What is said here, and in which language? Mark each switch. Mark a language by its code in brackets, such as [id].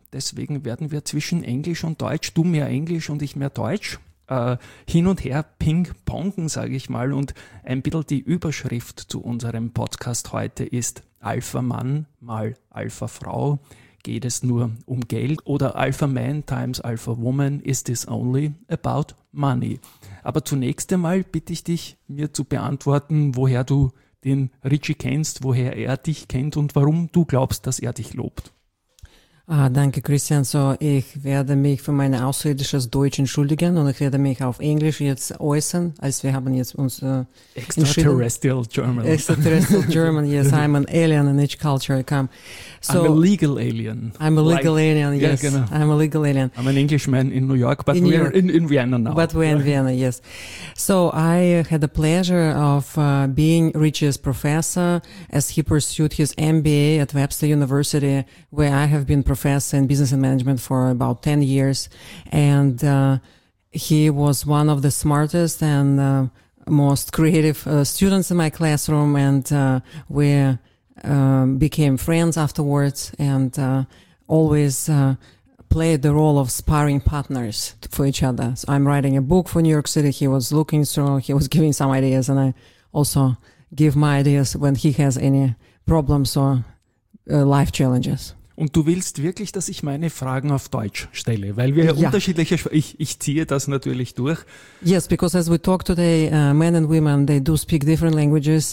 [de] Deswegen werden wir zwischen Englisch und Deutsch, du mehr Englisch und ich mehr Deutsch, hin und her ping-pongen, sage ich mal. Und ein bisschen die Überschrift zu unserem Podcast heute ist Alpha-Mann mal Alpha-Frau, geht es nur um Geld? [en] Oder Alpha-Man times Alpha-Woman, is this only about money? [de] Aber zunächst einmal bitte ich dich, mir zu beantworten, woher du den Richie kennst, woher er dich kennt und warum du glaubst, dass er dich lobt. Ah, danke, Christian. So, ich werde mich für meine ausländisches Deutsch entschuldigen und ich werde mich auf Englisch jetzt äußern, als wir haben jetzt uns [en] Extraterrestrial German. Extraterrestrial German, yes. I'm an alien in each culture I come. So, I'm a legal alien. I'm a legal alien, yes. Yeah, genau. I'm a legal alien. I'm an Englishman in New York, but in we're York. In Vienna now. But we're in Vienna, yes. So, I had the pleasure of being Richie's professor as he pursued his MBA at Webster University, where I have been professor in business and management for about 10 years, and he was one of the smartest and most creative students in my classroom, and we became friends afterwards and always played the role of sparring partners for each other. So I'm writing a book for New York City, he was looking through, he was giving some ideas, and I also give my ideas when he has any problems or life challenges. [de] Und du willst wirklich, dass ich meine Fragen auf Deutsch stelle, weil wir ja unterschiedliche ich ziehe das natürlich durch. [en] Yes, because as we talk today, men and women, they do speak different languages.